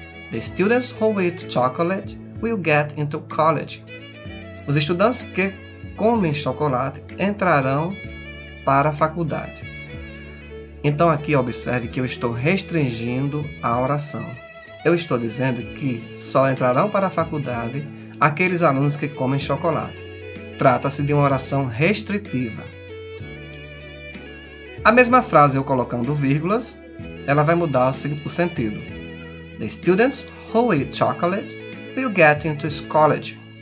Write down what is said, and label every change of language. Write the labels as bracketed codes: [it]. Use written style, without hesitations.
[en] The students who eat chocolate will get into college. [pt] Os estudantes que comem chocolate entrarão para a faculdade. Então aqui observe que eu estou restringindo a oração. Eu estou dizendo que só entrarão para a faculdade aqueles alunos que comem chocolate. Trata-se de uma oração restritiva. A mesma frase, eu colocando vírgulas, ela vai mudar o sentido. [en] The students who eat chocolate will get into college.